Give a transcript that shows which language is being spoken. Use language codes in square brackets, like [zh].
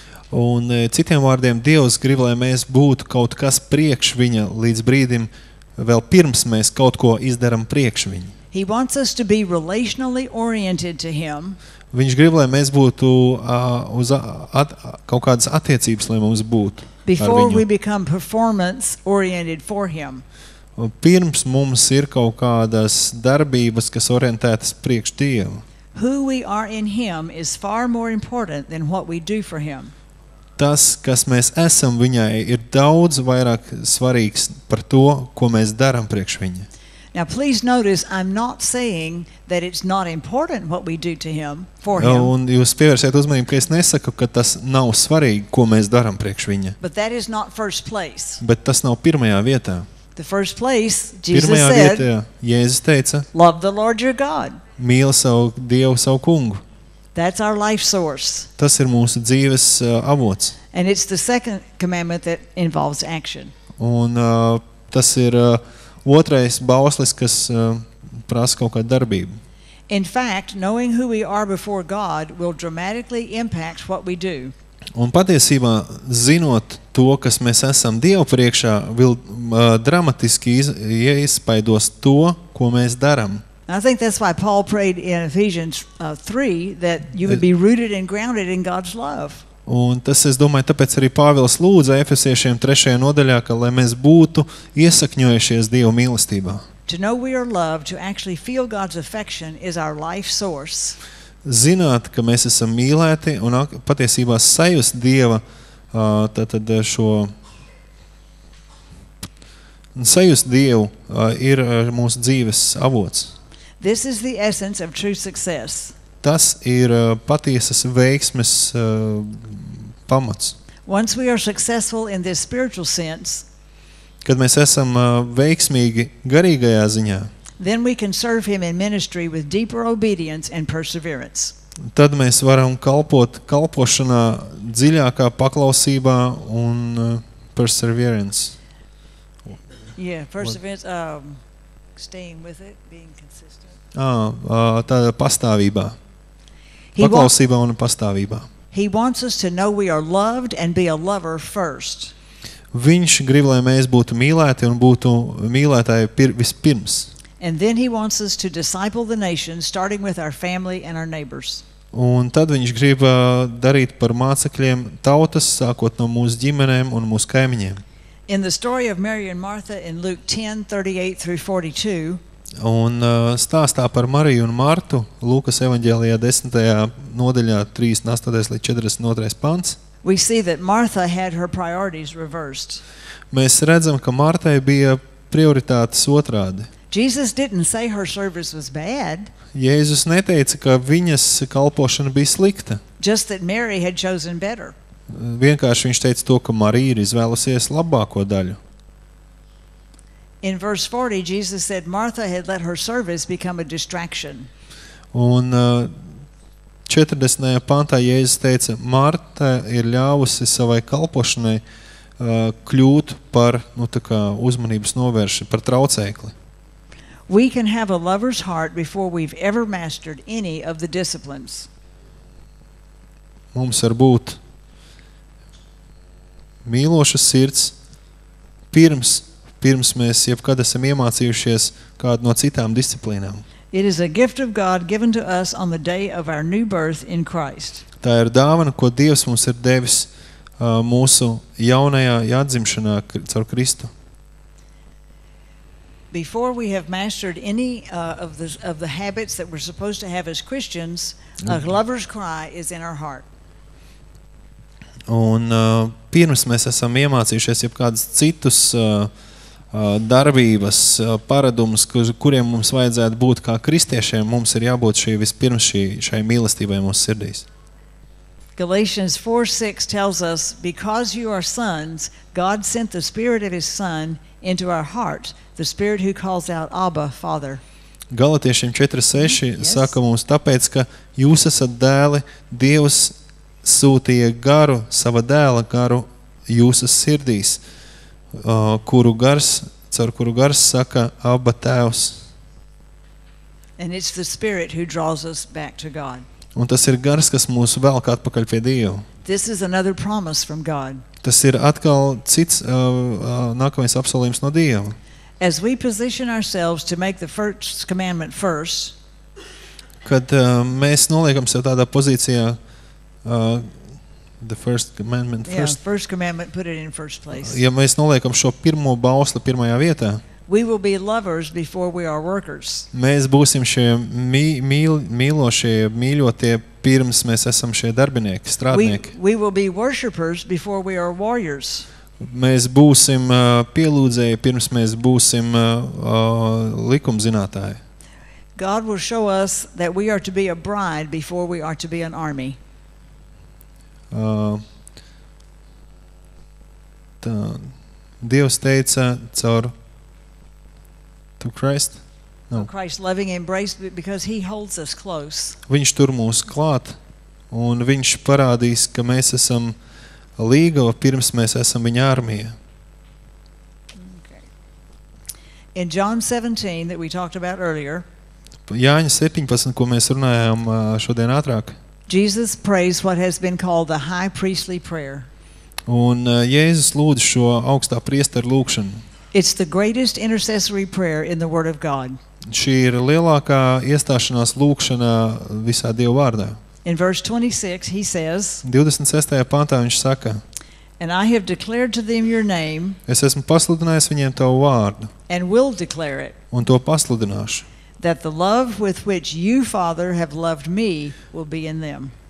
[lv] Un citiem vārdiem, Dievs grib, lai mēs būtu kaut kas priekš viņa līdz brīdim, vēl pirms mēs kaut ko izdaram priekš viņa. [en] He wants us to be relationally oriented to him. [lv] Viņš grib, lai mēs būtu kaut kādas attiecības, lai mums būtu ar viņu. [en] Before we become performance oriented for him. [lv] Pirms mums ir kaut kādas darbības, kas orientētas priekš Dievu. [en] Who we are in him is far more important than what we do for him. [lv] Tas, kas mēs esam viņai, ir daudz vairāk svarīgs par to, ko mēs daram priekš viņa. [en] Now please notice I'm not saying that it's not important what we do to him for him. [lv] Un jūs pievērsiet uzmanību, ka es nesaku, ka tas nav svarīgi, ko mēs daram priekš viņa. [en] But that is not first place. [lv] Bet tas nav pirmajā vietā. [en] The first place Jesus [lv] pirmajā [en] said, [lv] vietā Jēzus teica, [en] love the Lord your God. [lv] Mīli savu Dievu, savu Kungu. [en] That's our life source. [lv] Tas ir mūsu dzīves avots. [en] And it's the second commandment that involves action. [lv] Un tas ir otrais bauslis, kas prasa kaut kādu darbību. [en] In fact, knowing who we are before God will dramatically impact what we do. [lv] Un patiesībā zinot to, kas mēs esam Dievu priekšā, vēl dramatiski iespaidos to, ko mēs daram. [en] I think that's why Paul prayed in Ephesians 3 that you would be rooted and grounded in God's love. [lv] Un tas, es domāju, tāpēc arī Pāvils lūdza Efesiešiem 3. Nodaļā, ka lai mēs būtu iesakņojušies Dieva mīlestībā. [en] To know we are loved, to actually feel God's affection is our life source. [lv] Zināt, ka mēs esam mīlēti un patiesībā sajust Dieva tātad šo sajust Dievu ir mūsu dzīves avots. [en] This is the essence of true success. [lv] Tas ir patiesas veiksmes pamats. [en] Once we are successful in this spiritual sense, [lv] kad mēs esam veiksmīgi garīgajā ziņā, [en] then we can serve him in ministry with deeper obedience and perseverance. [lv] Tad mēs varam kalpot kalpošanā dziļākā paklausībā un perseverance. [en] Yeah, perseverance, staying with it, being consistent. [lv] Tāda pastāvībā. Paklausībā un pastāvībā. [en] He wants us to know we are loved and be a lover first. [lv] Viņš grib, lai mēs būtu mīlēti un būtu mīlētāji vispirms. [en] And then he wants us to disciple the nations starting with our family and our neighbors. [lv] Un tad viņš grib darīt par mācekļiem tautas, sākot no mūsu ģimenēm un mūsu kaimiņiem. [en] In the story of Mary and Martha in Luke 10:38-42, [lv] un stāstā par Mariju un Martu Lūkas evaņģēlijā 10. Nodaļā 38-42. Pants. [en] We see that Martha had her priorities reversed. [lv] Mēs redzam, ka Martai bija prioritātes otrādi. [en] Jesus didn't say her service was bad. [lv] Jēzus neteica, ka viņas kalpošana bija slikta. [en] Just that Mary had chosen better. [lv] Vienkārši viņš teica to, ka Marija ir izvēlusies labāko daļu. [en] In verse 40, Jesus said Martha had let her service become a distraction. [lv] Un 40. Pantā Jēzus teica, Marta ir ļāvusi savai kalpošanai kļūt par, nu tā kā, uzmanības novērši, par traucēkli. [en] We can have a lover's heart before we've ever mastered any of the disciplines. [lv] Mums var būt mīlošas sirds pirms mēs jebkad esam iemācījušies kādu no citām disciplīnām. [en] It is a gift of God given to us on the day of our new birth in Christ. [lv] Tā ir dāvana, ko Dievs mums ir devis mūsu jaunajā atdzimšanā caur Kristu. [en] before we have mastered any of the habits that we're supposed to have as Christians, a lover's cry is in our heart. [lv] Un pirms mēs esam iemācījušies jebkādas citus darbības, paradumus, kuriem mums vajadzētu būt kā kristiešiem, mums ir jābūt šī vispirms šai mīlestībai mūsu sirdīs. [en] Galatians 4:6 tells us, because you are sons, God sent the spirit of his son into our heart, the spirit who calls out Abba, Father. [lv] Galatiešiem 4:6 saka mums, tāpēc, ka jūs esat dēli, Dievs sūtīja garu, sava dēla garu jūsu sirdīs, kuru gars, caur kuru gars saka Abba, Tēvs. [en] And it's the spirit who draws us back to God. [lv] Un tas ir gars, kas mūs velk atpakaļ pie Dievu. [en] This is another promise from God. [lv] Tas ir atkal cits nākamais apsolījums no Dieva. [en] As we position ourselves to make the first commandment first, [lv] kad mēs noliekam sev tādā pozīcijā [en] the first commandment first. Yeah, first commandment, put it in first place. [lv] Ja mēs noliekam šo pirmo bausli pirmajā vietā, [en] we will be lovers before we are workers. [lv] Mēs būsim šie mīlošie, mīļotie pirms mēs esam šie darbinieki, strādnieki. [en] We will be worshipers before we are warriors. [lv] Mēs būsim pielūdzēji pirms mēs būsim likumzinātāji. [en] God will show us that we are to be a bride before we are to be an army. [lv] Tā, Dievs teica caur to Christ? [en] No. Christ loving embrace because he holds us close. [lv] Viņš tur mūs klāt un viņš parādīs, ka mēs esam līgava pirms mēs esam viņa armija. [en] Okay. In John 17 that we talked about earlier. [lv] Jāņa 17, ko mēs runājām šodien ātrāk. [en] Jesus prays what has been called the high priestly prayer. [lv] Un Jēzus lūdz šo augstā priestera lūkšanu. [en] It's the greatest intercessory prayer in the Word of God. [lv] Šī ir lielākā iestāšanās lūkšanā visā Dieva vārdā. [en] In verse 26, he says, [lv] 26. Pantā viņš saka, [en] and I have declared to them your name, [lv] es esmu pasludinājis viņiem tavu vārdu, [en] and will declare it, [lv] un to pasludināšu, [en] that the love with which you, Father, have loved me will be in them.